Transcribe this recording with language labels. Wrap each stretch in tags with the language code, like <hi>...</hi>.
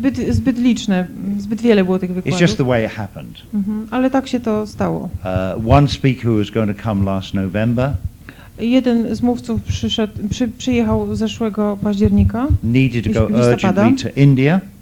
<pl>Zbyt liczne, zbyt wiele było tych wykładów.</pl> <en>It's just the way it happened.</en> <pl>Ale tak się to stało.</pl> <en>One speaker was going to come last November.</en> <pl>Jeden z mówców przyjechał zeszłego października.</pl> <en>Needed to go urgently to India.</en>